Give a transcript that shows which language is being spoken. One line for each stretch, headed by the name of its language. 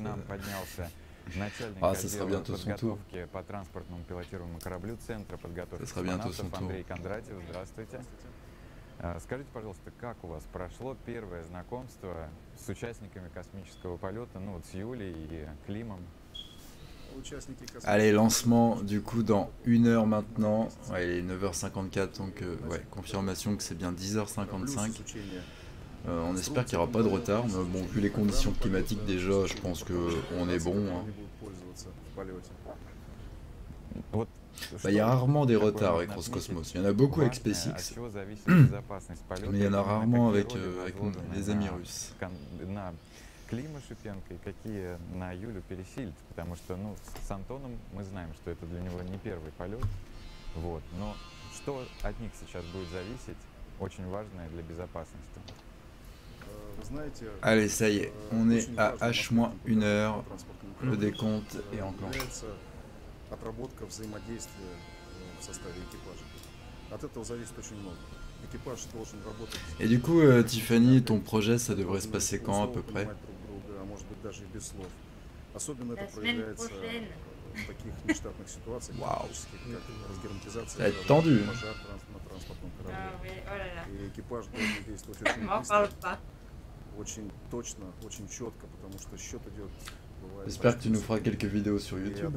Russian: А, это сра бьянто сон ту. По транспортному пилотируемому кораблю центра подготовки космонавтов Андрей Кондратьев. Здравствуйте. Скажите, пожалуйста, как у вас прошло первое знакомство с участниками космического полета, ну вот с Юлей и Климом?
French: Allez, lancement du coup dans une heure maintenant. Ouais, il est 9h54, donc ouais, confirmation que c'est bien 10h55. On espère qu'il n'y aura pas de retard, mais bon, vu les conditions climatiques déjà, je pense qu'on est bon. Hein. Bah, il y a rarement des retards avec Roscosmos. Il y en a beaucoup avec SpaceX, mais il y en a rarement avec, avec les amis russes.
Russian: Клима Шипенко и какие на Юлю Пересильд, потому что, ну, с Антоном мы знаем, что это для него не первый полет, вот, но что от них сейчас будет зависеть, очень важное для безопасности.
French: Allez, ça y est, on est à H-1 heure, le décompte est enclenché.
Russian: Отработка взаимодействия в составе экипажа. От этого зависит очень много. Экипаж должен работать.
French: Et du coup, Tiffany, ton projet, ça devrait se passer quand à peu près?
Russian: Может быть, даже и без слов. Особенно это проявляется в таких нештатных ситуациях, физических, как разгерметизация, пожар на транспортном корабле. И экипаж должен действовать очень быстро, очень точно, очень четко, потому что счет идет.
French: J'espère que tu nous feras quelques vidéos sur YouTube.